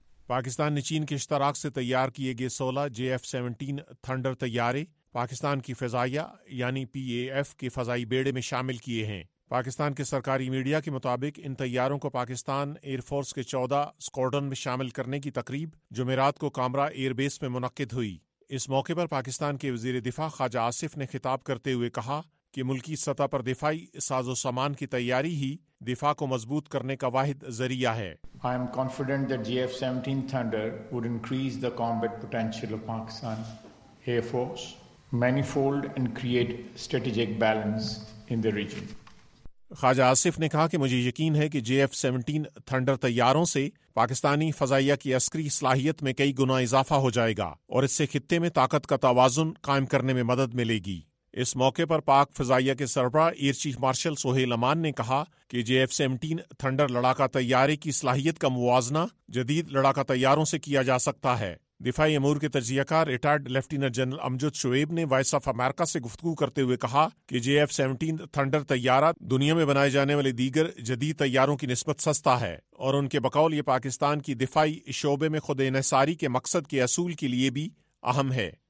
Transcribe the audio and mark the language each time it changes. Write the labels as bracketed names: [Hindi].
[Urdu] پاکستان نے چین کے اشتراک سے تیار کیے گئے 16 JF-17 تھنڈر تیارے پاکستان کی فضائیہ یعنی PAF کے فضائی بیڑے میں شامل کیے ہیں۔ پاکستان کے سرکاری میڈیا کے مطابق ان تیاروں کو پاکستان ایئر فورس کے 14 اسکواڈرن میں شامل کرنے کی تقریب جمعرات کو کامرا ایئر بیس میں منعقد ہوئی۔ اس موقع پر پاکستان کے وزیر دفاع خواجہ آصف نے خطاب کرتے ہوئے کہا کہ ملکی سطح پر دفاعی ساز و سامان کی تیاری ہی دفاع کو مضبوط کرنے کا واحد ذریعہ ہے۔ [English] I am confident that JF-17 Thunder would increase the combat potential of Pakistan Air Force manifold and create strategic balance in the region۔ [Urdu] خواجہ آصف نے کہا کہ مجھے یقین ہے کہ JF-17 تھنڈر تیاروں سے پاکستانی فضائیہ کی عسکری صلاحیت میں کئی گنا اضافہ ہو جائے گا، اور اس سے خطے میں طاقت کا توازن قائم کرنے میں مدد ملے گی۔ اس موقع پر پاک فضائیہ کے سربراہ ایئر چیف مارشل سہیل امان نے کہا کہ JF-17 تھنڈر لڑاکا طیارے کی صلاحیت کا موازنہ جدید لڑاکا طیاروں سے کیا جا سکتا ہے۔ دفاعی امور کے تجزیہ کار ریٹائرڈ لیفٹیننٹ جنرل امجد شعیب نے وائس آف امریکہ سے گفتگو کرتے ہوئے کہا کہ JF-17 تھنڈر طیارہ دنیا میں بنائے جانے والے دیگر جدید طیاروں کی نسبت سستا ہے، اور ان کے بقول یہ پاکستان کی دفاعی شعبے میں خود انحصاری کے مقصد کے اصول کے لیے بھی اہم ہے۔